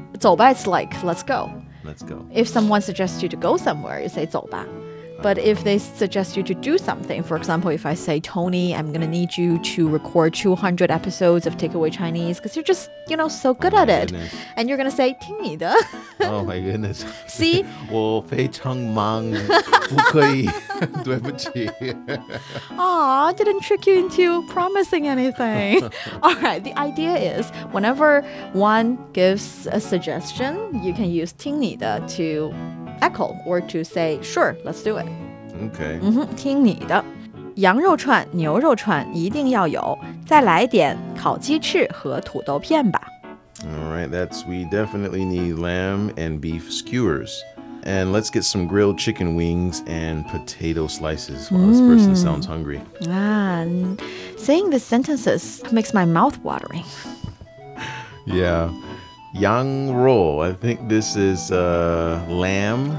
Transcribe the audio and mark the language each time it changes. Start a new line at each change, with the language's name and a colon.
English: 走吧, it's like, let's go. Let's go. If someone suggests you to go somewhere, you say 走吧. But if they suggest you to do something, for example, if I say, Tony, I'm going to need you to record 200 episodes of Takeaway Chinese because you're just, you know, so good oh at it. Goodness. And you're going to say, 听你的. Oh, my goodness. See?
Chinese: 我非常忙,不可以,对不起.
English: Aw, didn't trick you into promising anything. All right, the idea is whenever one gives a suggestion, you can use 听你的to echo or to say, sure, let's do it. Okay.
Chinese: Mm-hmm, 听你的。羊肉串、牛肉串一定要有。再来点烤鸡翅和土豆片吧。
English: All right, we definitely need lamb and beef skewers. And let's get some grilled chicken wings and potato slices while this person sounds hungry. Man, saying the sentences makes my mouth watering. Yeah. Yang ro, I think this is lamb.